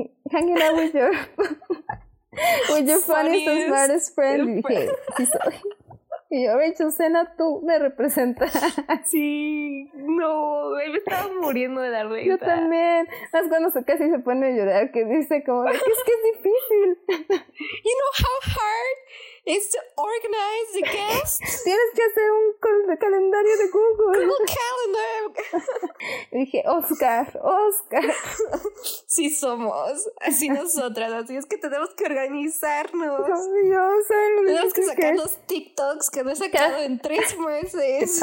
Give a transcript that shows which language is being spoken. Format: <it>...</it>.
<en>Hanging out with your... With your funniest and smartest friend,</en> <es>y dije, sí soy. Y yo, Rachel Zenot, tú me representas. Sí, no, me estaba muriendo de la risa. Yo también. Más cuando casi se pone a llorar, que dice, como, es que es difícil.</es> <en>You know how hard it's to organize the guests?</en> <es>Tienes que hacer un calendario de Google. Google Calendar. Y dije, Oscar. Sí somos, así nosotras, así es que tenemos que organizarnos. Dios, tenemos que sacar los TikToks que no he sacado en 3 meses.</es>